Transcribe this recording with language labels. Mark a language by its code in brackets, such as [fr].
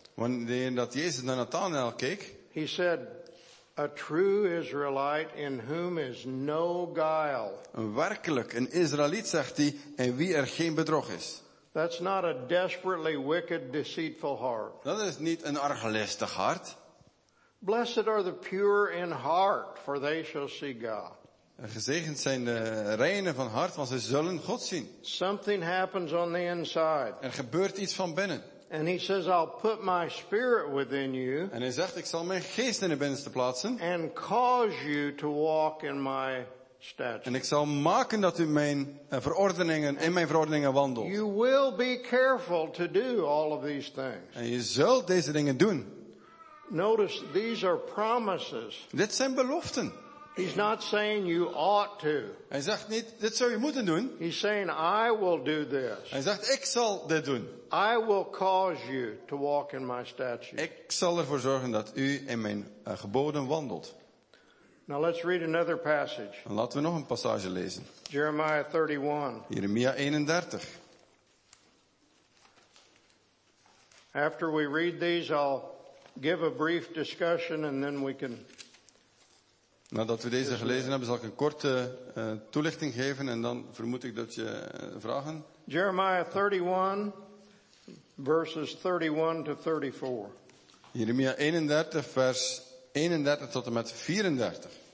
[nl] wanneer dat Jezus naar Nathanael keek, [en] he said, a true Israelite in whom is no guile. [nl] Een werkelijk een Israëliet, zegt hij, in wie er geen bedrog is. [en] That's not a desperately wicked, deceitful heart. [nl] Dat is niet een arglistig hart. [en] Blessed are the pure in heart, for they shall see God. [nl] Gezegend zijn de reinen van hart, want ze zullen God zien. [en] Something happens on the inside. [nl] Er gebeurt iets van binnen. [en] And he says, I'll put my spirit within you. [nl] En hij zegt, ik zal mijn geest in de binnenste plaatsen. [en] And cause you to walk in my statutes. [nl] En ik zal maken dat u mijn verordeningen in mijn verordeningen wandelt. [en] You will be careful to do all of these things. [nl] En je zult deze dingen doen. [en] Notice these are promises. [nl] Dit zijn beloften. [en] He's not saying you ought to. [nl] Hij zegt niet, dit zou je moeten doen. [en] He's saying I will do this. [nl] Hij zegt, ik zal dit doen. [en] I will cause you to walk in my statutes. [nl] Ik zal ervoor zorgen dat u in mijn geboden wandelt. [en] Now let's read another passage. [nl] En laten we nog een passage lezen. [en] Jeremiah 31. [nl] Jeremia 31. [en] After we read these, I'll give a brief discussion and then we can. [nl] Nadat we deze gelezen hebben, zal ik een korte toelichting geven en dan vermoed ik dat je vragen. [en] Jeremiah 31, verses 31 to 34. [nl] Jeremia 31, vers 31 tot en met 34.